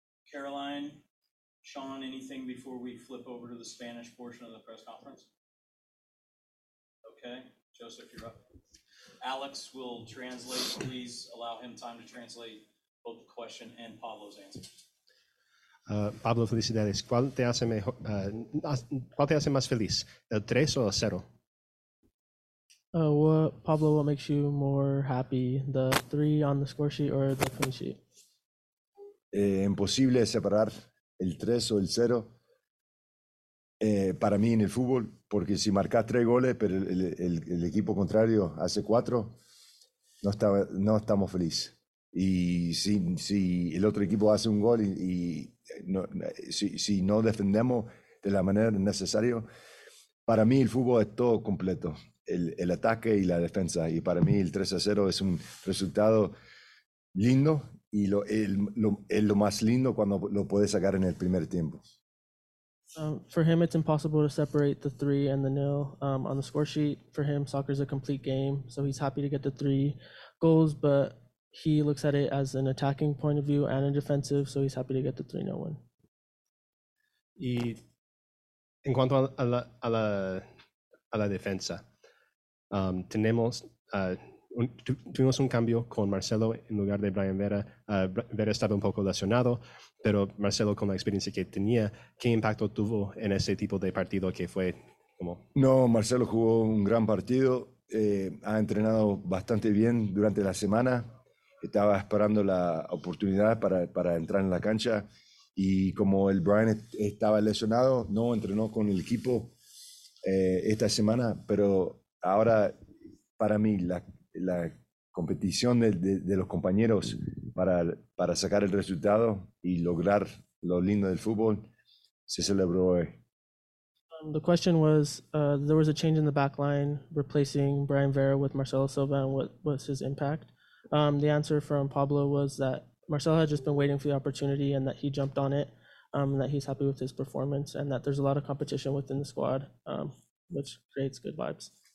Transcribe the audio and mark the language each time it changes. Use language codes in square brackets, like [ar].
[en] Caroline, Sean, anything before we flip over to the Spanish portion of the press conference? Okay, Joseph, you're up. Alex will translate. Please allow him time to translate both the question and Pablo's answer. [es] Pablo Felicidades, ¿cuál te hace mejor, cuál te hace más feliz, el tres o el cero? [en] Pablo, what makes you more happy, the three on the score sheet or the clean sheet? [es] Imposible separar el tres o el cero para mí en el fútbol, porque si marcas tres goles, pero el equipo contrario hace cuatro, no estamos felices. Y si el otro equipo hace un gol y no, si no defendemos de la manera necesaria, para mí el fútbol es todo completo, el ataque y la defensa. Y para mí el 3-0 es un resultado lindo y es lo más lindo cuando lo puedes sacar en el primer tiempo. [en] For him, it's impossible to separate the three and the nil on the score sheet. For him, soccer is a complete game, so he's happy to get the three goals, but he looks at it as an attacking point of view and a defensive, so he's happy to get the 3-0 win. [es] Y en cuanto a la defensa, tuvimos un cambio con Marcelo en lugar de Brian Vera. Vera estaba un poco lesionado, pero Marcelo, con la experiencia que tenía, ¿qué impacto tuvo en ese tipo de partido que fue como? No, Marcelo jugó un gran partido. Ha entrenado bastante bien durante la semana. Estaba esperando la oportunidad para entrar en la cancha. Y como el Brian estaba lesionado, no entrenó con el equipo esta semana. Pero ahora, para mí, la competición de los compañeros para sacar el resultado y lograr lo lindo del fútbol se celebró hoy. [en] The question was, there was a change in the back line, replacing Brian Vera with Marcelo Silva, and what was his impact? The answer from Pablo was that Marcelo had just been waiting for the opportunity and that he jumped on it, and that he's happy with his performance and that there's a lot of competition within the squad, which creates good vibes.